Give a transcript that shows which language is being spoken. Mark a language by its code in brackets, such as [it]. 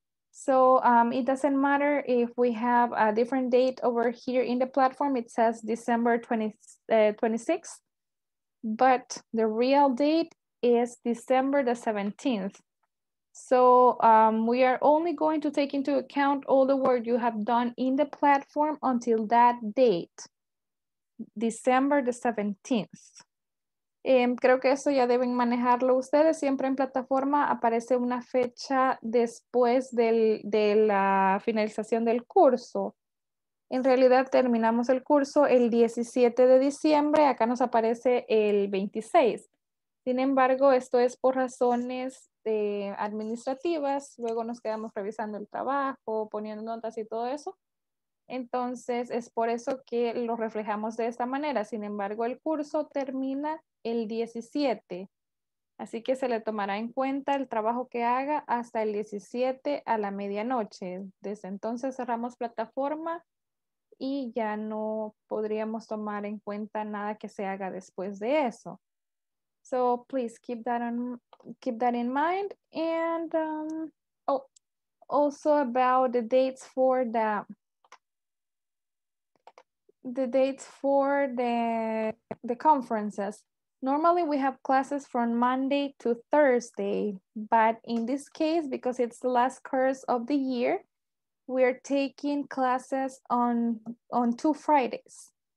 [en] So it doesn't matter if we have a different date over here in the platform, it says December 26th, but the real date is December the 17th. So we are only going to take into account all the work you have done in the platform until that date, December the 17th. [es] Creo que eso ya deben manejarlo ustedes. Siempre en plataforma aparece una fecha después de la finalización del curso. En realidad terminamos el curso el 17 de diciembre. Acá nos aparece el 26. Sin embargo, esto es por razones administrativas. Luego nos quedamos revisando el trabajo, poniendo notas y todo eso. Entonces, es por eso que lo reflejamos de esta manera. Sin embargo, el curso termina el 17. Así que se le tomará en cuenta el trabajo que haga hasta el 17 a la medianoche. Desde entonces cerramos plataforma y ya no podríamos tomar en cuenta nada que se haga después de eso. [en] So, please keep that in mind. And, also about the dates for the conferences. Normally we have classes from Monday to Thursday, but in this case, because it's the last course of the year, we're taking classes on 2 Fridays.